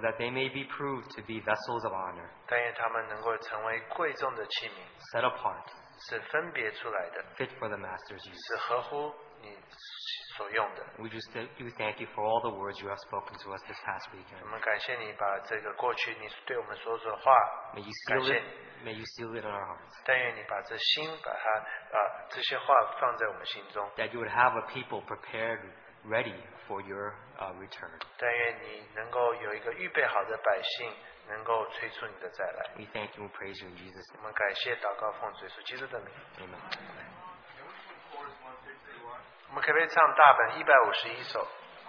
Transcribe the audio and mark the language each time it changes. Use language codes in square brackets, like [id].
[en] that they may be proved to be vessels of honor. [zh] 但愿他们能够成为贵重的器皿。 [en] Set apart. [zh] 是分别出来的。 [en] Fit for the master's use. [zh] 是合乎你所用的。 [en] We just do thank you for all the words you have spoken to us this past weekend. [zh] 我们感谢你把这个过去你对我们所说的话，感谢你。 [en] May you seal it in our hearts. [zh] 但愿你把这心把它，这些话放在我们心中。 [en] That you would have a people prepared, ready for your return. [zh] 但愿你能够有一个预备好的百姓。 [en] We thank you and praise you in Jesus' name. [zh] 我们感谢祷告奉主耶稣基督的名。 [en] Amen. [zh] 我们可不可以唱大本151首？